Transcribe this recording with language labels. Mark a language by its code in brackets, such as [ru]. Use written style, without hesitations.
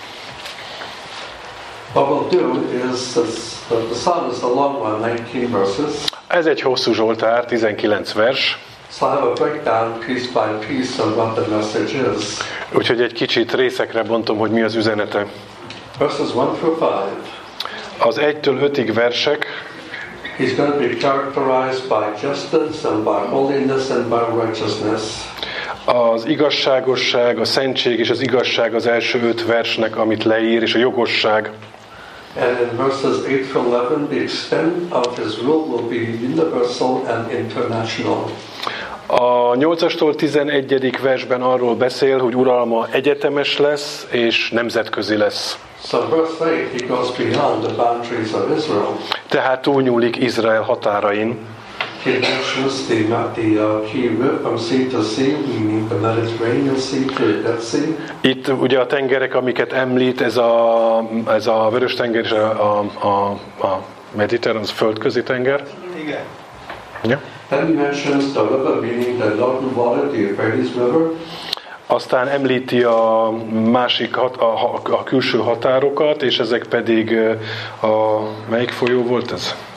[en] What we'll do is the psalm is a long one, 19 verses. [hu] Ez egy hosszú zsoltár, 19 vers. [en] So I have a breakdown piece by piece of what the message is. [hu] Úgyhogy egy kicsit részekre bontom, hogy mi az üzenete. [en] Verses 1 through 5. [hu] Az 1-től 5-ig versek. [en] He's going to be characterized by justice and by holiness and by righteousness. [hu] Az igazságosság, a szentség és az igazság az első 5 versnek, amit leír, és a jogosság. [en] And in verses 8 to 11, the extent of his rule will be universal and international. [hu] A 8-astól 11. versben arról beszél, hogy uralma egyetemes lesz és nemzetközi lesz. [en] So verse 8, he goes beyond the boundaries of Israel. [hu] Tehát túlnyúlik Izrael határain. [en] He mentions the key river from sea to sea, meaning the Mediterranean Sea to the Dead Sea. [hu] Itt ugye a tengerek, amiket említ, ez a vörös tenger és a mediterrán, az földközi tenger. Igen. [en] Yeah. Then he mentions the river, meaning the Jordan Valley, the Euphrates River. [hu] Aztán említi a másik a külső határokat, és ezek pedig a melyik folyó volt ez?